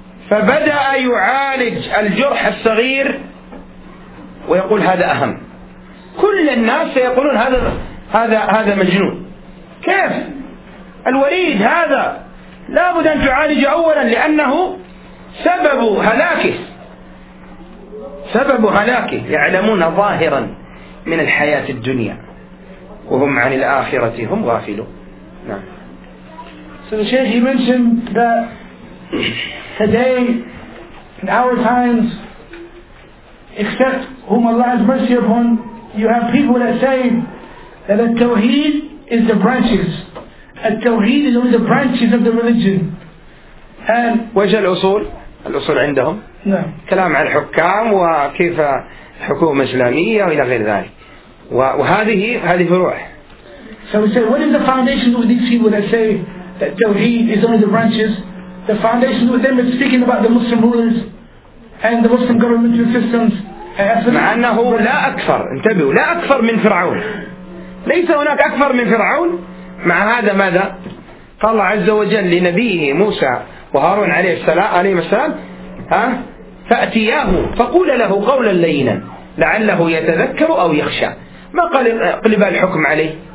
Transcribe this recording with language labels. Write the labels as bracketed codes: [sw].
[ar] فبدأ يعالج الجرح الصغير ويقول هذا أهم كل الناس سيقولون هذا هذا هذا مجنون كيف الوريد هذا لا بد أن تعالج أولا لأنه سبب هلاكه سبب هلاكه يعلمون ظاهرا من الحياة الدنيا وهم عن الآخرة هم غافلون نعم. [en] So the Shaykh, he mentioned that today, in our times, except whom Allah has mercy upon, you have people that say that al-Tawheed is the branches. Al-Tawheed is only the branches of the religion. And [ar] وجه الأصول؟ الأصول عندهم؟ نعم. كلام عن الحكام وكيف الحكومة الإسلامية وإلى غير ذلك. وهذه فروع. [en] So we say, what is the foundation of these people that say that Tawheed is only the branches? The foundation with them is speaking about the Muslim rulers and the Muslim governmental systems. [ar] مع أنه لا أكثر انتبهوا لا أكثر من فرعون ليس هناك أكثر من فرعون مع هذا ماذا قال الله عز وجل لنبيه موسى وهارون عليه السلام ها فأتياه فقول له قولا لينا لعله يتذكر أو يخشى ما قال قلب الحكم عليه